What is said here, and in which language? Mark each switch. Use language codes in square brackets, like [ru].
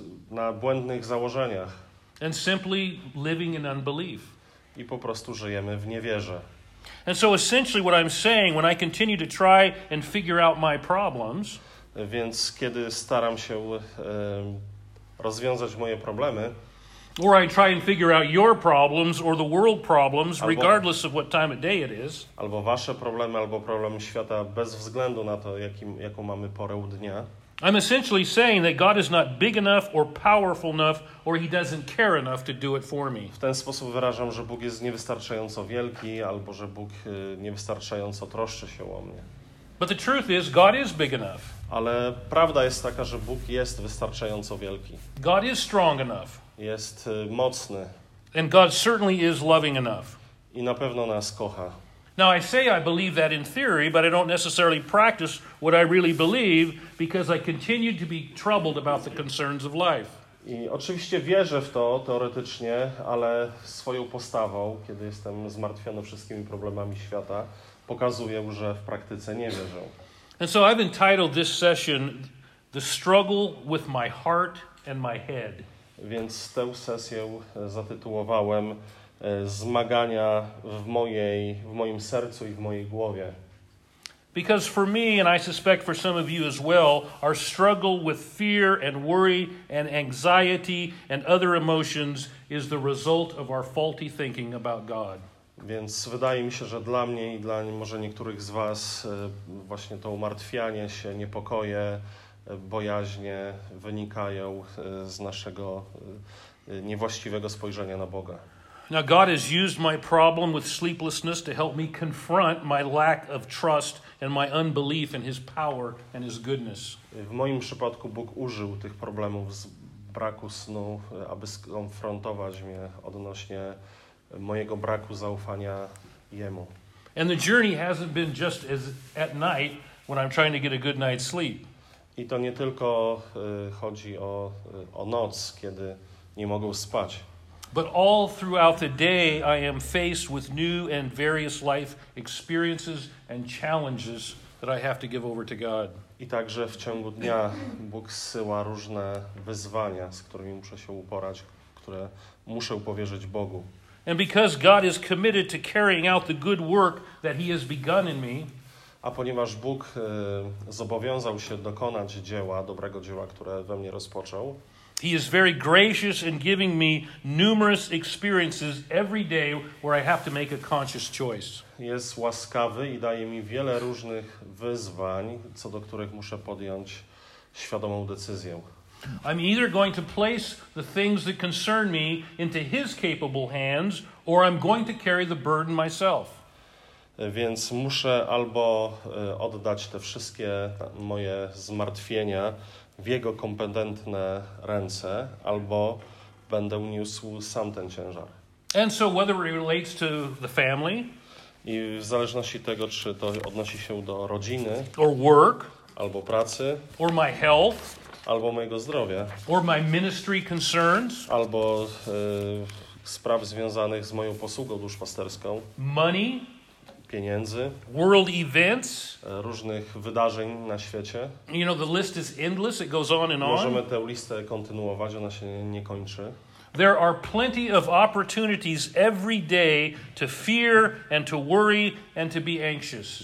[pl] Na błędnych założeniach. [en] And simply living in unbelief. [pl] I po prostu żyjemy w niewierze. [en] And so essentially what I'm saying, when I continue to try and figure out my problems, [pl] więc kiedy staram się rozwiązać moje problemy, [en] or I try and figure out your problems or the world problems, [pl] albo, [en] regardless of what time of day it is, [pl] albo wasze problemy, albo problemy świata, bez względu na to, jaką mamy porę dnia, [en] I'm essentially saying that God is not big enough or powerful enough or he doesn't care enough to do it for me. [pl] W ten sposób wyrażam, że Bóg jest niewystarczająco wielki albo że Bóg niewystarczająco troszczy się o mnie. [en] But the truth is God is big enough. [pl] Ale prawda jest taka, że Bóg jest wystarczająco wielki. [en] God is strong enough. [pl] Jest mocny. [en] And God certainly is loving enough. [pl] I na pewno nas kocha. [en] Now I say I believe that in theory, but I don't necessarily practice what I really believe because I continue to be troubled about the concerns of life. [pl] I oczywiście wierzę w to teoretycznie, ale swoją postawą, kiedy jestem zmartwiony wszystkimi problemami świata, pokazuję, że w praktyce nie wierzę. [en] And so I've entitled this session "The Struggle with My Heart and My Head". [pl] Więc tę sesję zatytułowałem zmagania w moim sercu i w mojej głowie. [en] Because for me and I suspect for some of you as well, our struggle with fear and worry and anxiety and other emotions is the result of our faulty thinking about God. [pl] Więc wydaje mi się, że dla mnie i dla może niektórych z was właśnie to umartwianie się, niepokoje, bojaźnie wynikają z naszego niewłaściwego spojrzenia na Boga. [en] Now God has used my problem with sleeplessness to help me confront my lack of trust and my unbelief in his power and his goodness. [pl] W moim przypadku Bóg użył tych problemów z braku snu, aby skonfrontować mnie odnośnie mojego braku zaufania jemu. [en] And the journey hasn't been just as at night when I'm trying to get a good night's sleep. [pl] I to nie tylko chodzi o noc, kiedy nie mogę spać. [en] But all throughout the day I am faced with new and various life experiences and challenges that I have to give over to God. [pl] I także w ciągu dnia Bóg zsyła różne wyzwania, z którymi muszę się uporać, które muszę powierzyć Bogu. [en] And because God is committed to carrying out the good work that he has begun in me, [pl] a ponieważ Bóg zobowiązał się dokonać dzieła, dobrego dzieła, które we mnie rozpoczął, [en] he is very gracious in giving me numerous experiences every day where I have to make a conscious choice. [pl] Jest łaskawy i daje mi wiele różnych wyzwań, co do których muszę podjąć świadomą decyzję. [en] I'm either going to place the things that concern me into his capable hands, or I'm going to carry the burden myself. [pl] Więc muszę albo oddać te wszystkie moje zmartwienia w jego kompetentne ręce, albo będę niósł sam ten ciężar. [en] And so whether it relates to the family, [pl] i w zależności tego, czy to odnosi się do rodziny, [en] or work, [pl] albo pracy, [en] or my health, [pl] albo mojego zdrowia, [en] or my ministry concerns, [pl] albo spraw związanych z moją posługą duszpasterską, [en] money, [pl] pieniędzy, [en] world events, [pl] różnych wydarzeń na świecie. [en] You know, the list is endless, it goes on and on. [pl] Możemy tę listę kontynuować, ona się nie kończy. [en] There are plenty of opportunities every day to fear and to worry and to be anxious.